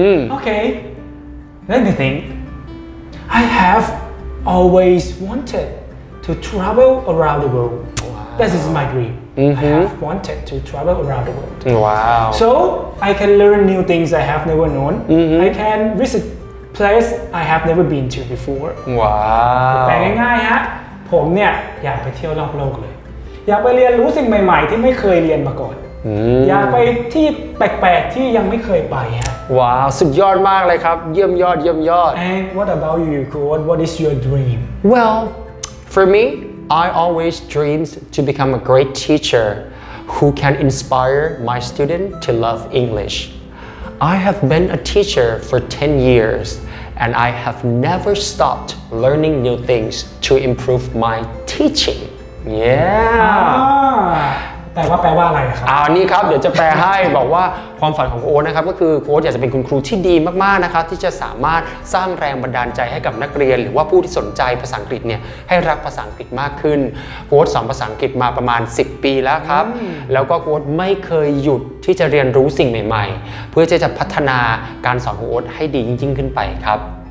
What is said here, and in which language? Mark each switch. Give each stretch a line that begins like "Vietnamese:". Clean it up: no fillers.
English: โอเค let me think I have always wanted to travel around the world this is my dreamI have wanted to travel around the world. Wow. So I can learn new things I have never known. Mm-hmm. I can visit places I have never been to before. Wow.
Thai: แปลง่ายๆฮะผมเนี่ยอยากไปเที่ยวรอบโลกเลยอยากไปเรียนรู้สิ่งใหม่ๆที่ไม่เคยเรียนมาก่อน
English: mm-hmm.
Thai: อยากไปที่แปลกๆที่ยังไม่เคยไปฮะ
English: Wow.
Thai: สุดยอดมากเลยครับเยี่ยมยอดเยี่ยมยอด
English: And what about you, Kurt? What is your dream? Well, for me. I always dreamed to become a great teacher who can inspire my student to love English. I have been a teacher for 10 years and I have never stopped learning new things to improve my teaching. Yeah.
Thai: แปลว่าแปลว่าอะไรครับ นี่ครับเดี๋ยวจะแปลให้บอกว่าความฝันของโอ๊ตนะครับก็คือโอ๊ตอยากจะเป็นคุณครูที่ดีมากๆนะครับที่จะสามารถสร้างแรงบันดาลใจให้กับนักเรียนหรือว่าผู้ที่สนใจภาษาอังกฤษเนี่ยให้รักภาษาอังกฤษมากขึ้นโอ๊ตสอนภาษาอังกฤษมาประมาณ10ปีแล้วครับแล้วก็โอ๊ตไม่เคยหยุดที่จะเรียนรู้สิ่งใหม่ๆเพื่อจะพัฒนาการสอนของโอ๊ตให้ดียิ่งขึ้นไปครับ